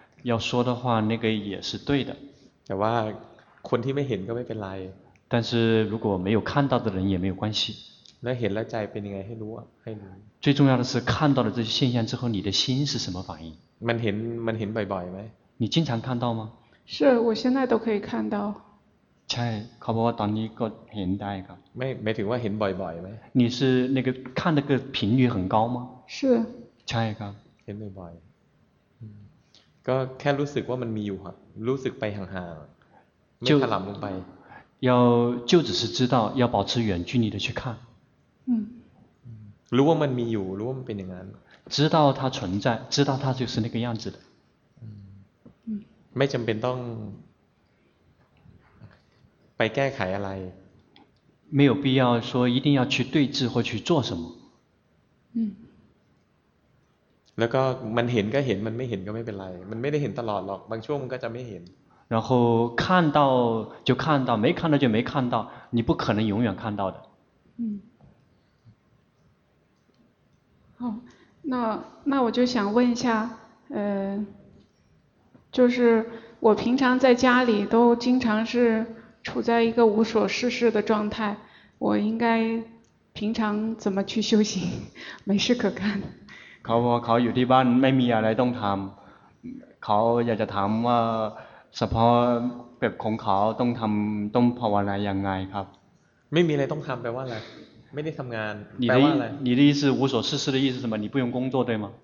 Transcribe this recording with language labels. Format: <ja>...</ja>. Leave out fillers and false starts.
<zh>要说的话那个也是对的</zh> <th>แต่ว่าคนที่ไม่เห็นก็ไม่เป็นไร</th> <zh>但是如果没有看到的人也没有关系</zh> <th>แล้วเห็นแล้วใจเป็นยังไงให้รู้ให้รู้</th> <zh>最重要的是看到了这些现象之后你的心是什么反应</zh> <th>มันเห็นบ่อยๆไหม</th> <zh>你经常看到吗是我现在都可以看到</zh> <th>ใช่เขาบอกว่าตอนนี้ก็เห็นได้ครับ ไม่ถึงว่าเห็นบ่อยๆไหม</th> <zh>你是那个看的个频率很高吗是</zh> <th>ใช่ครับ เห็นบ่อยก็แค่รู้สึกว่ามันมีอยู่ครับรู้สึกไปห่างๆไม่ถลำลงไป</th> <zh>要就只是知道要保持远距离的去看</zh> <th>รู้ว่ามันมีอยู่รู้ว่ามันเป็นอย่างนั้น</th> <zh>知道它存在知道它就是那个样子的</zh> <th>ไม่จำเป็นต้องไปแก้ไขอะไร</th> <zh>没有必要说一定要去对治或去做什么</zh> <th>แล้วก็มันเห็นก็เห็นมันไม่เห็นก็ไม่เป็นไรมันไม่ได้เห็นตลอดหรอกบางช่วงมันก็จะไม่เห็น</th> <zh>然后看到就看到没看到就没看到你不可能永远看到的好那我就想问一下就是我平常在家里都经常是处在一个无所事事的状态我应该平常怎么去修行没事可干</zh> <th>เขาบอกเขาอยู่ที่บ้านไม่มีอะไรต้องทำเขาอยากจะถามว่าเฉพาะแบบของเขาต้องทำต้องภาวนาอย่างไรครับ ไม่มีอะไรต้องทำแปลว่าอะไรไม่ได้ทำงานแปลว่ า อะไร</th> <zh>你的意思无所事事的意思是什么你不用工作对吗</zh>